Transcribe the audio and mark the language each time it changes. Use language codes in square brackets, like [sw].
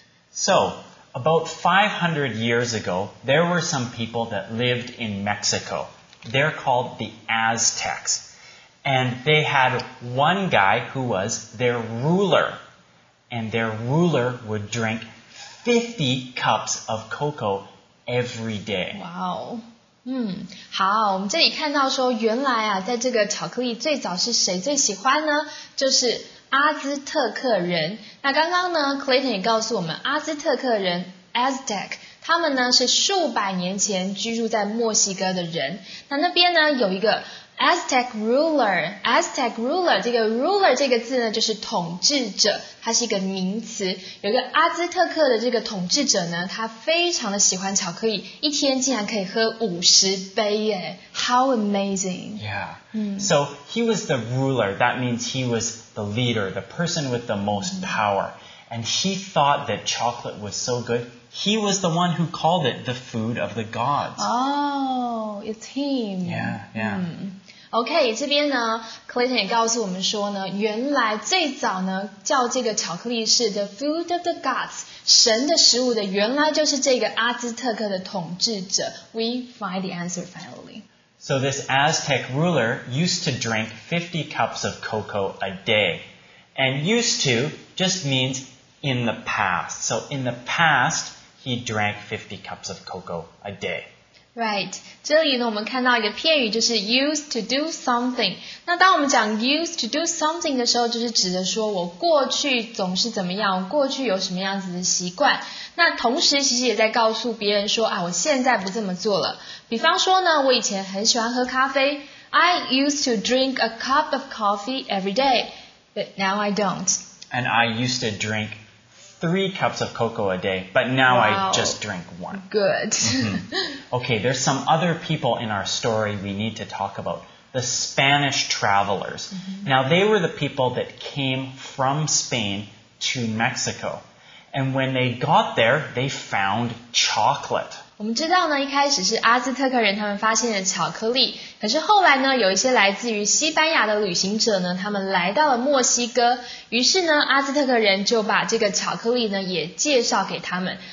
[en] So, about 500 years ago, there were some people that lived in Mexico. They're called the Aztecs. And they had one guy who was their ruler. And their ruler would drink 50 cups of cocoa every day. Wow. [zh] 好，我们这里看到说原来啊在这个巧克力最早是谁最喜欢呢就是阿兹特克人。那刚刚呢 ,Clayton 也告诉我们阿兹特克人 ,Aztec, 他们呢是数百年前居住在墨西哥的人。那边呢有一个 [en] Aztec ruler, [zh] Aztec ruler, 这个 ruler 这个字呢就是统治者它是一个名词。有一个阿兹特克的这个统治者呢他非常的喜欢巧克力一天竟然可以喝50杯耶。 [en] How amazing! Yeah. So, he was the ruler. That means he was the leader, the person with the most power. And he thought that chocolate was so good. He was the one who called it the food of the gods. Oh, it's him. Yeah. [zh] Okay, 这边呢 ,Clayton 也告诉我们说呢原来最早呢叫这个巧克力是 [en] the food of the gods, [zh] 神的食物的原来就是这个阿兹特克的统治者。 [en] We find the answer finally. So this Aztec ruler used to drink 50 cups of cocoa a day. And used to just means... In the past. So in the past, he drank 50 cups of cocoa a day. Right. [zh] 这里呢我们看到一个片语就是 [en] used to do something. [zh] 那当我们讲 [en] used to do something [zh] 的时候就是指的说我过去总是怎么样过去有什么样子的习惯。那同时其实也在告诉别人说啊我现在不这么做了。比方说呢我以前很喜欢喝咖啡。 [en] I used to drink a cup of coffee every day, but now I don't. And I used to drink 3 cups of cocoa a day, but now wow, I just drink 1. Good. Okay, there's some other people in our story we need to talk about. The Spanish travelers. Now, they were the people that came from Spain to Mexico. And when they got there, they found chocolate. [zh] 我们知道呢，一开始是阿兹特克人他们发现了巧克力。可是后来呢，有一些来自于西班牙的旅行者呢，他们来到了墨西哥。于是呢，阿兹特克人就把这个巧克力呢也介绍给他们。